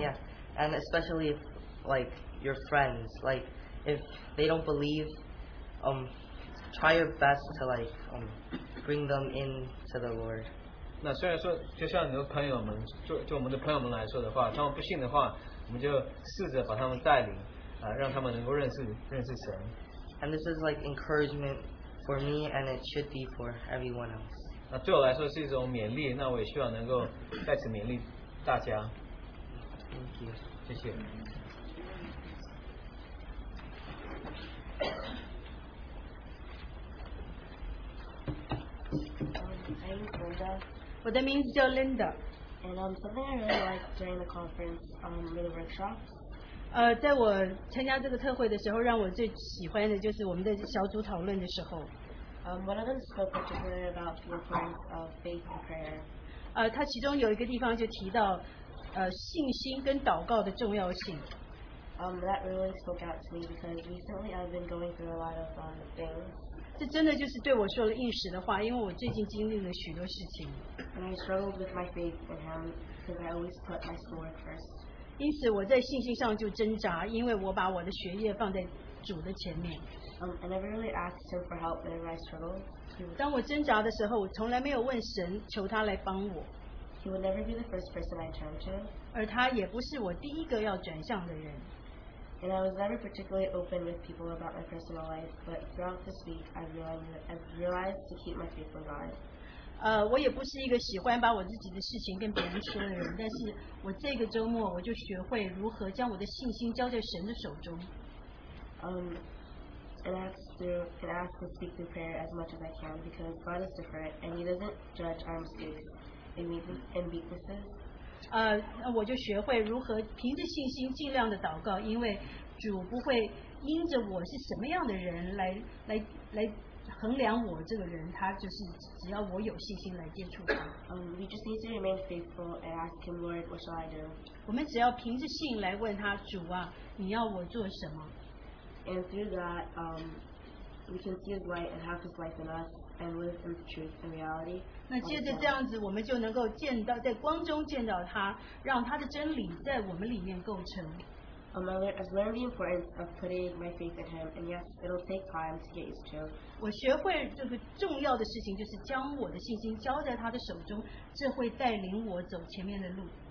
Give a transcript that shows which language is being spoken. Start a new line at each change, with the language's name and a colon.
English: Yeah, and especially if, like your friends, like if they don't believe, try your best to like bring them in to the Lord.
Chinese: 那虽然说，就像你的朋友们，就我们的朋友们来说的话，他们不信的话，我们就试着把他们带领，让他们能够认识神。
English: And this is like encouragement for me, and it should be for everyone else.
Chinese: 那对我来说是一种勉励，那我也希望能够再次勉励大家。
English: Thank you.
Chinese: 谢谢。
English: My name's Linda. Well, that means Jolinda. And something I really like during the conference were the workshops.
Chinese: 在我参加这个特会的时候，让我最喜欢的就是我们的小组讨论的时候。
English: One of them spoke particularly about the importance of faith and prayer.
Chinese: 他其中有一个地方就提到，信心跟祷告的重要性。
English: That really spoke out to me because recently I've been going through a lot of things.
Chinese: 这真的就是对我说了应许的话，因为我最近经历了许多事情。
English: And I struggled with my faith in him because I always put my schoolwork first.
Chinese: 因此我在信心上就挣扎，因为我把我的学业放在主的前面。
English: I never really asked him for help whenever I struggled.
Chinese: 当我挣扎的时候，我从来没有问神求他来帮我。
English: He would never be the first person I turned to.
Chinese: 而他也不是我第一个要转向的人。
English: And I was never particularly open with people about my personal life, but throughout this week, I realized to keep my faith in God.
Chinese: 我也不是一个喜欢把我自己的事情跟别人说的人，但是我这个周末我就学会如何将我的信心交在神的手中。
English: And I have to speak through prayer as much as I can because God is different and He doesn't judge our mistakes and weaknesses.
Chinese: 我就学会如何凭着信心尽量的祷告，因为主不会因着我是什么样的人来衡量我这个人，他就是只要我有信心来接触他。
English: We just need to remain faithful and ask Him, Lord, what shall I do?
Chinese: 我们只要凭着信来问他，主啊，你要我做什么？
English: And through that, we can see His light and have His life in us and live in the truth and reality.
Chinese: 那接着这样子，我们就能够见到在光中见到他，让他的真理在我们里面构成。
English: I've learned the importance of putting my faith in Him, and yes, it'll take time to get used to.
Chinese: 我学会这个重要的事情就是将我的信心交在他的手中，这会带领我走前面的路。